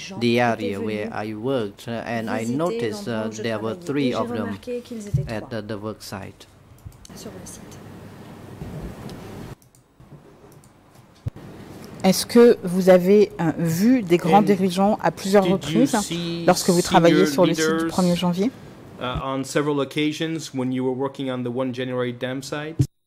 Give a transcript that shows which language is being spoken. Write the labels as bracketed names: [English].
[English] the area where I worked, and I noticed there were three of them at the work site. [French] Est-ce que vous avez vu des grands dirigeants à plusieurs reprises lorsque vous travaillez sur le site du 1er janvier? [English] On several occasions when you were working on the 1 January dam site?